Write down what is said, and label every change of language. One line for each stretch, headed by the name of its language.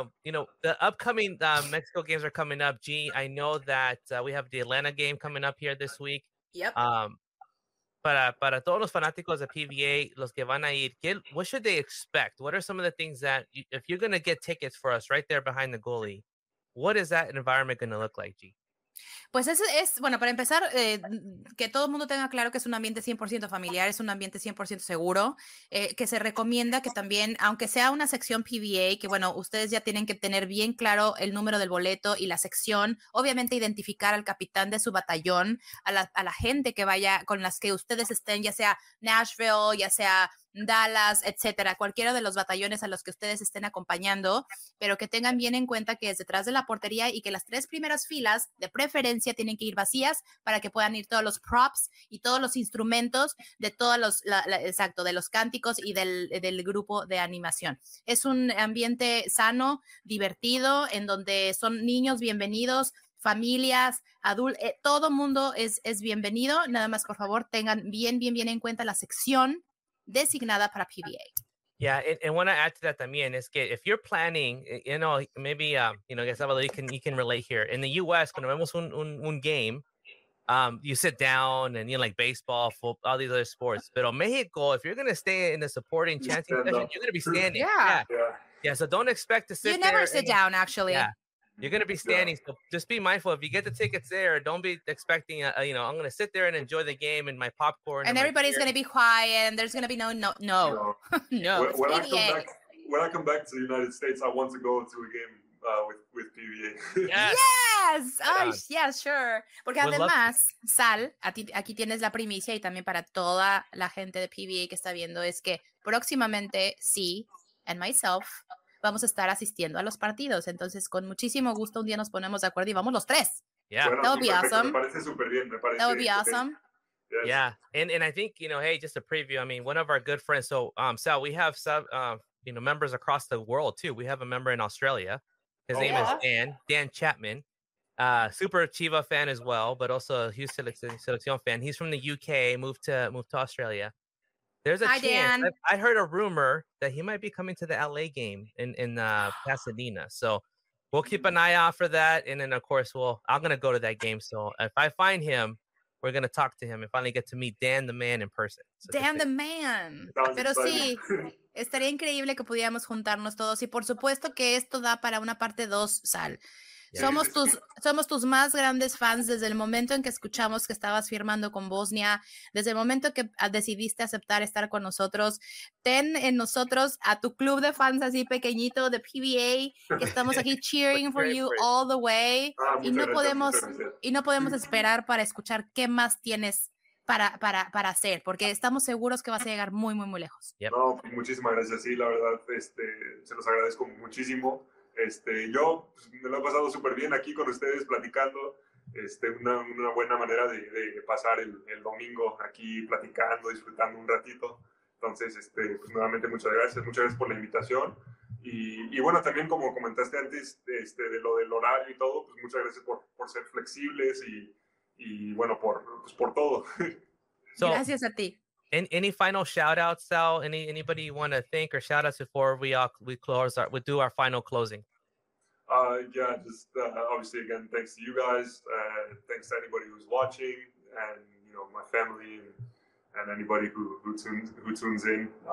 English: You know, the upcoming Mexico games are coming up. G, I know that we have the Atlanta game coming up here this week. Yep.
Spanish: Para todos los fanáticos de PVA, los que van a ir,
English: what should they expect? What are some of the things that, if you're going to get tickets for us right there behind the goalie, what is that environment going to look like, G?
Spanish: Pues es, para empezar, que todo el mundo tenga claro que es un ambiente 100% familiar, es un ambiente 100% seguro, que se recomienda que también, aunque sea una sección PVA, que bueno, ustedes ya tienen que tener bien claro el número del boleto y la sección, obviamente identificar al capitán de su batallón, a la gente que vaya, con las que ustedes estén, ya sea Nashville, ya sea Dallas, etcétera, cualquiera de los batallones a los que ustedes estén acompañando, pero que tengan bien en cuenta que es detrás de la portería y que las tres primeras filas de preferencia tienen que ir vacías para que puedan ir todos los props y todos los instrumentos de todos los de los cánticos y del grupo de animación. Es un ambiente sano, divertido, en donde son niños bienvenidos, familias, adultos, todo mundo es bienvenido. Nada más, por favor, tengan bien en cuenta la sección designada para PBA.
English: Yeah, and want to add to that
Spanish: también es que
English: if you're planning, you know, maybe you know, Gustavo, you can relate here. In the US,
Spanish: cuando vemos un
English: game, you sit down and you know, like baseball, football, all these other sports. Pero Mexico, if you're gonna stay in the supporting chanting position, you're gonna be standing. Yeah. So don't expect to sit. You never there sit down, actually. Yeah. You're gonna be standing. Yeah. So just be mindful. If you get the tickets there, don't be expecting you know, I'm gonna sit there and enjoy the game and my popcorn. And everybody's gonna be quiet and there's gonna be no. No. When I come back to the United States, I want to go to a game with PVA. Yes. Oh, yeah, sure.
Spanish: Porque además, Sal, aquí tienes la primicia y también para toda la gente de PVA que está viendo es que próximamente sí,
English: and myself,
Spanish: vamos a estar asistiendo a los partidos. Entonces, con muchísimo gusto, un día nos ponemos de acuerdo y vamos los tres.
English: Yeah. Bueno, that would be
Spanish: perfecto.
English: Awesome.
Spanish: Me parece súper bien. Me parece
English: that would be awesome. Yes. Yeah. And I think, you know, hey, just a preview. I mean, one of our good friends. So, Sal, we have some, you know, members across the world, too. We have a member in Australia. His name is Dan Chapman. Super Chiva fan as well, but also a huge Selección fan. He's from the UK, moved to Australia. There's a chance. Dan. I heard a rumor that he might be coming to the LA game in Pasadena. So we'll keep an eye out for that. And then, of course, I'm going to go to that game. So if I find him, we're going to talk to him and finally get to meet Dan the man in person. So Dan the man.
Spanish: Pero sí, estaría increíble que pudiéramos juntarnos todos. Y por supuesto que esto da para una parte dos, Sal. Somos tus más grandes fans desde el momento en que escuchamos que estabas firmando con Bosnia, desde el momento que decidiste aceptar estar con nosotros. Ten en nosotros a tu club de fans así pequeñito de PBA, que estamos aquí
English: cheering for you all the way.
Spanish: Y no podemos esperar para escuchar qué más tienes para hacer, porque estamos seguros que vas a llegar muy, muy, muy lejos. Yep. No, muchísimas gracias. Sí, la verdad, se los agradezco muchísimo. Yo pues, me lo he pasado súper bien aquí con ustedes platicando, una buena manera de pasar el domingo aquí platicando, disfrutando un ratito. Entonces, pues, nuevamente muchas gracias por la invitación. Y bueno, también como comentaste antes de lo del horario y todo, pues muchas gracias por ser flexibles y bueno, por todo. So, gracias a ti.
English: Any final shout outs, Sal? Anybody you want to thank or shout outs before we do our final closing? Obviously again, thanks to you guys. Thanks to anybody who's watching and, you know, my family and anybody who tunes in.